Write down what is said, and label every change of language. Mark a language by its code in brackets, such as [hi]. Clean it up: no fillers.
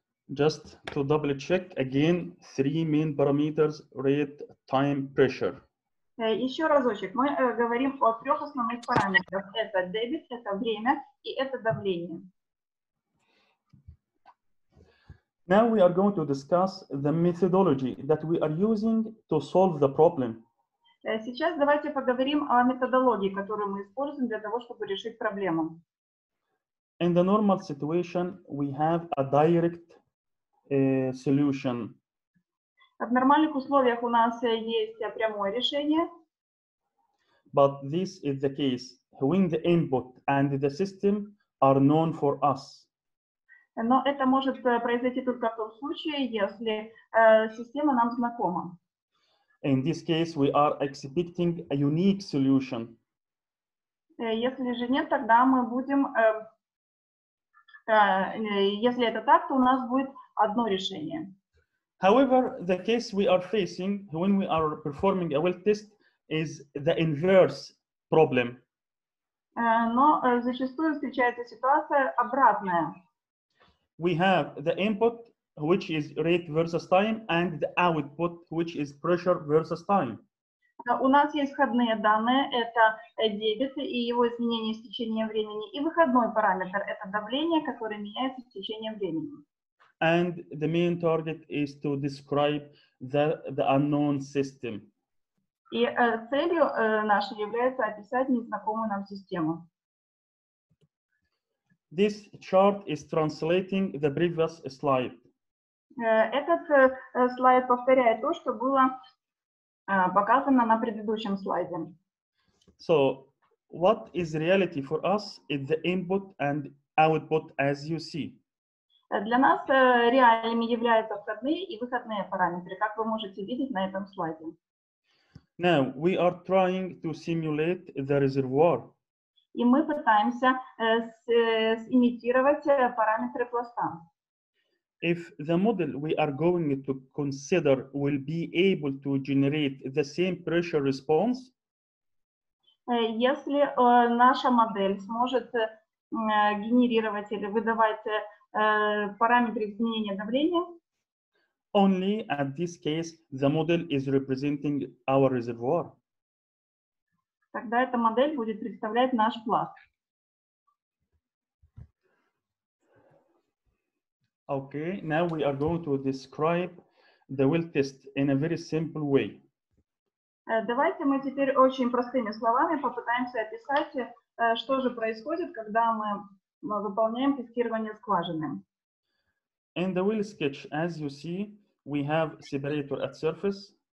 [en] Just to double check again, three main parameters: rate, time, pressure. [ru] Еще разочек. Мы говорим о трех основных параметрах. Это дебит, это время и это давление. [en] Now we are going to discuss the methodology that we are using to solve the problem. [ru] Сейчас давайте поговорим о методологии, которую мы используем для того, чтобы решить проблему. [en] In the normal situation, we have a direct solution. [ru] В нормальных условиях у нас есть прямое решение. [en] But this is the case when the input and the system are known for us. [ru] Но это может произойти только в том случае, если система нам знакома. [en] In this case, we are expecting a unique solution. [ru] Если же нет, тогда мы будем, если это так, то у нас будет одно решение. [en] However, the case we are facing when we are performing a will test is the inverse problem. [ru] Но зачастую встречается ситуация обратная. [en] We have the input, which is rate versus time, and the output, which is pressure versus time. [ru] У нас есть входные данные, это дебет и его изменение с течением времени, и выходной параметр, это давление, которое меняется с течением времени. [en] And the main target is to describe the unknown system. [ru] И целью нашей является описать незнакомую нам систему. [en] This chart is translating the previous slide. [ru] Этот слайд повторяет то, что было показано на предыдущем слайде. [en] So, what is reality for us is the input and output, as you see. [ru] Для нас реальными являются входные и выходные параметры, как вы можете видеть на этом слайде. [en] Now, we are trying to simulate the reservoir. [ru] И мы пытаемся имитировать параметры пласта. [en] If the model we are going to consider will be able to generate the same pressure response, [ru] если наша модель сможет генерировать или выдавать параметры изменения давления, [en] only at this case the model is representing our reservoir. [ru] Тогда эта модель будет представлять наш пласт. [en] Okay, now we are going to describe the well test in a very simple way. [ru] Давайте мы теперь очень простыми словами попытаемся описать, что же происходит, когда мы выполняем тестирование скважины. [en] In the well sketch, as you see, we have separator at surface.